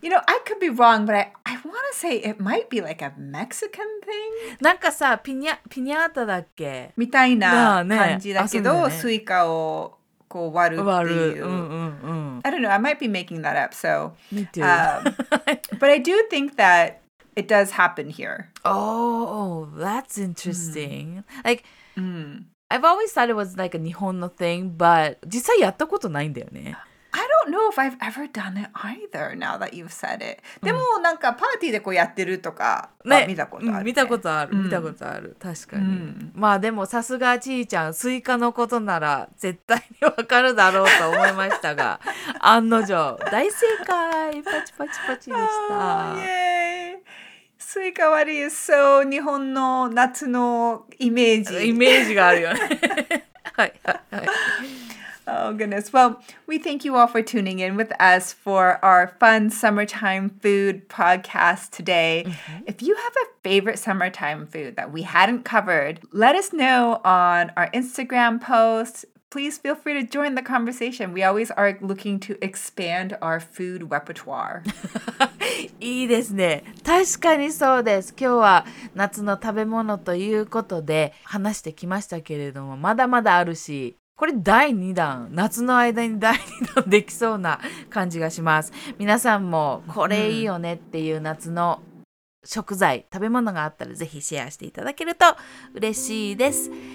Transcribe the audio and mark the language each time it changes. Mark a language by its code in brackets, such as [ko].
[en] You know, I could be wrong, but I want to say it might be like a Mexican thing. [ja] なんかさ、ピニャータだっけ？みたいな感じだけど、スイカをこう割るっていう。割る。うんうんうん。 [en] I don't know. I might be making that up. So, me too. but I do think that it does happen here. Oh, that's interesting. Mm. Like, mm. I've always thought it was like a 日本の thing, but [ja] 実際やったことないんだよね。 [en] I don't know if I've ever done it either, now that you've said it. [ja] でもなんかパーティーでこうやってるとか、ね、見たことある、ね。見たことある、見たことある。確かに。まあでもさすがちいちゃん、スイカのことなら絶対にわかるだろうと思いましたが、案の定、大正解パチパチパチでした。イエーイ。スイカ割り [en] is so [ja] 日本の夏のイメージ。イメージがあるよね。はいはいはい。 [en] Oh, goodness. Well, we thank you all for tuning in with us for our fun summertime food podcast today. Mm-hmm. If you have a favorite summertime food that we hadn't covered, let us know on our Instagram post. Please feel free to join the conversation. We always are looking to expand our food repertoire. [ja] いいですね。確かにそうです。今日は夏の食べ物ということで話してきましたけれども、まだまだあるし、これ第2弾、夏の間に第2弾できそうな感じがします。皆さんもこれいいよねっていう夏の食材、食べ物があったらぜひシェアしていただけると嬉しいです。